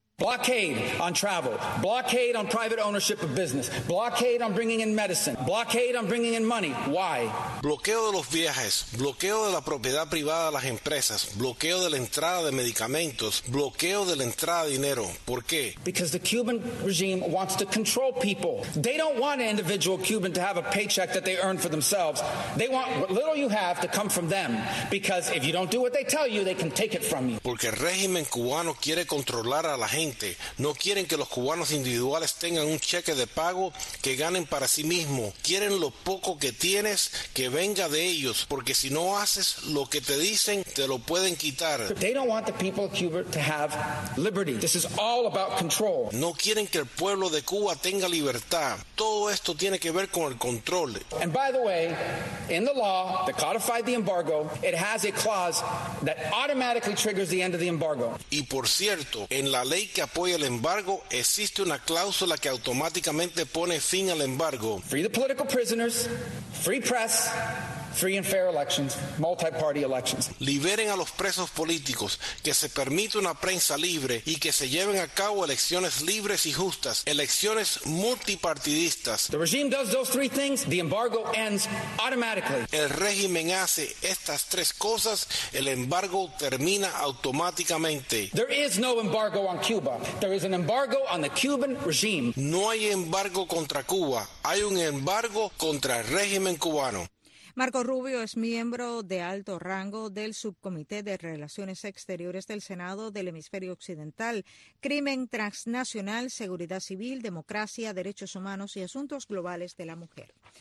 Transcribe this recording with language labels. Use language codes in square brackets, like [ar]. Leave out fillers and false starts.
[en] Blockade on travel, blockade on private ownership of business, blockade on bringing in medicine, blockade on bringing in money. Why? [es] Bloqueo de los viajes, bloqueo de la propiedad privada de las empresas, bloqueo de la entrada de medicamentos, bloqueo de la entrada de dinero. ¿Por qué? [en] Because the Cuban regime wants to control people. They don't want an individual Cuban to have a paycheck that they earn for themselves. They want what little you have to come from them, because if you don't do what they tell you, they can take it from you. [es] Porque el régimen cubano quiere controlar a la gente. No quieren que los cubanos individuales tengan un cheque de pago que ganen para sí mismos. Quieren lo poco que tienes que venga de ellos, porque si no haces lo que te dicen, te lo pueden quitar. [en] They don't want the people of Cuba to have liberty. This is all about control. [es] No quieren que el pueblo de Cuba tenga libertad. Todo esto tiene que ver con el control. [en] And by the way, in the law that codified the embargo, it has a clause that automatically triggers the end of the embargo. [es] Y por cierto, en la ley que apoya el embargo, existe una cláusula que automáticamente pone fin al embargo. [en] Free the political prisoners, free press, free and fair elections, multi-party elections. [es] Liberen a los presos políticos, que se permita una prensa libre y que se lleven a cabo elecciones libres y justas, elecciones multipartidistas. [en] The regime does those three things, the embargo ends automatically. [es] El régimen hace estas tres cosas, el embargo termina automáticamente. [en] There is no embargo on Cuba. There is an embargo on the Cuban regime. [es] No hay embargo contra Cuba, hay un embargo contra el régimen cubano. Marco Rubio es miembro de alto rango del Subcomité de Relaciones Exteriores del Senado del Hemisferio Occidental, Crimen Transnacional, Seguridad Civil, Democracia, Derechos Humanos y Asuntos Globales de la Mujer.